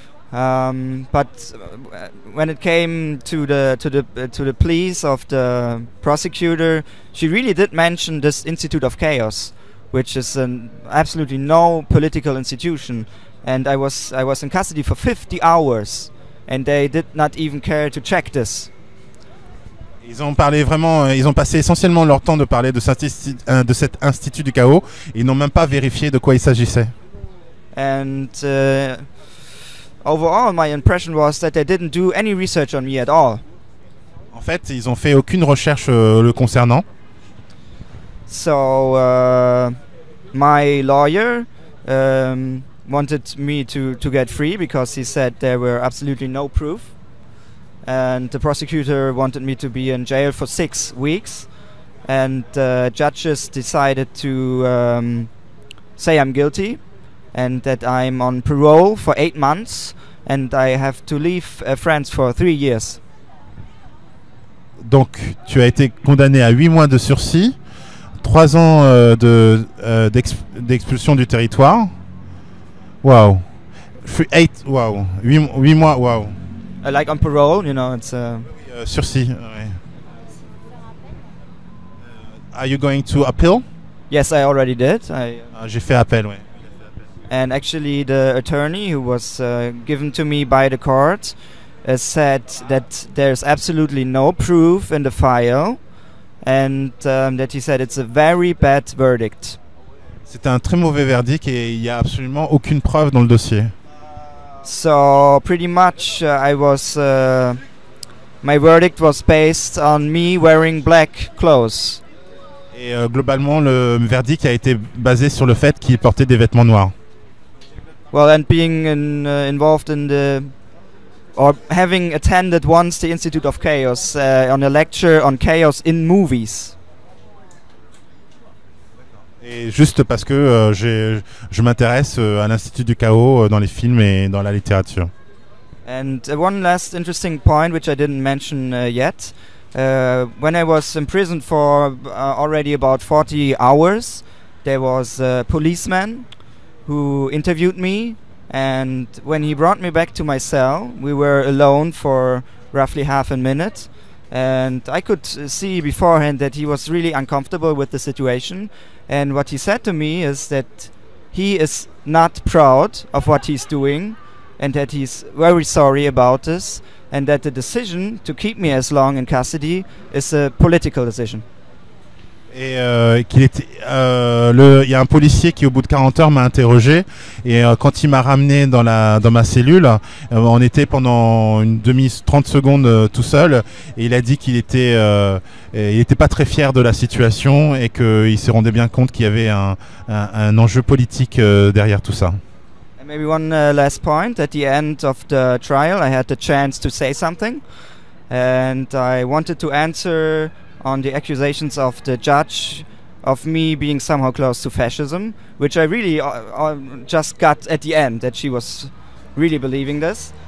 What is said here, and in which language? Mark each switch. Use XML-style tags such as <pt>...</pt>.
<en>But when it came to the pleas of the prosecutor, she really did mention this Institute of Chaos, which is an absolutely no political institution. And I was in custody for 50 hours and they did not even care to check this.</en> <fr>Ils ont parlé vraiment, ils ont passé essentiellement leur temps de parler de cet institut du chaos. Ils n'ont même pas vérifié de quoi il s'agissait.</fr> <en>And overall, my impression was that they didn't do any research on me at all.</en> <fr>En fait, ils n'ont fait aucune recherche le concernant.</fr> <en>So my lawyer wanted me to get free because he said there were absolutely no proof, and the prosecutor wanted me to be in jail for 6 weeks, and the judges decided to say I'm guilty and that I'm on parole for 8 months and I have to leave France for 3 years.</en> <fr>Donc tu as été condamné à 8 mois de sursis, 3 ans d'expulsion du territoire. Wow. 8 wow. 8 mois, wow.</fr> <en>Like on parole, you know, it's</en> <fr>sursis.</fr> <en>Are you going to appeal? Yes, I already did.</en> <fr>J'ai fait appel, oui.</fr> <en>And actually the attorney who was given to me by the court said that there's absolutely no proof in the file. And that he said it's a very bad verdict.</en> <fr>C'est un très mauvais verdict et il y a absolument aucune preuve dans le dossier.</fr> <en>So pretty much I was my verdict was based on me wearing black clothes.</en> <fr>Et globalement le verdict a été basé sur le fait qu'il portait des vêtements noirs.</fr> <en>Well, and being in, involved in the or having attended once the Institute of Chaos on a lecture on chaos in movies.</en> <fr>Et juste parce que je m'intéresse à l'Institut du Chaos dans les films et dans la littérature.</fr> <en>And one last interesting point which I didn't mention yet. When I was imprisoned for already about 40 hours, there was a policeman who interviewed me, and when he brought me back to my cell, we were alone for roughly half a minute. And I could see beforehand that he was really uncomfortable with the situation. And what he said to me is that he is not proud of what he's doing, and that he's very sorry about this, and that the decision to keep me as long in custody is a political decision.</en> <fr>Et qu'il était, le, y a un policier qui au bout de 40 heures m'a interrogé, et quand il m'a ramené dans, la, dans ma cellule, on était pendant une demi 30 secondes tout seul, et il a dit qu'il était, il était pas très fier de la situation et qu'il se rendait bien compte qu'il y avait un enjeu politique derrière tout ça.</fr> <en>And maybe one last point, at the end of the trial I had the chance to say something, and I wanted to answer on the accusations of the judge of me being somehow close to fascism, which I really just got at the end, that she was really believing this.</en>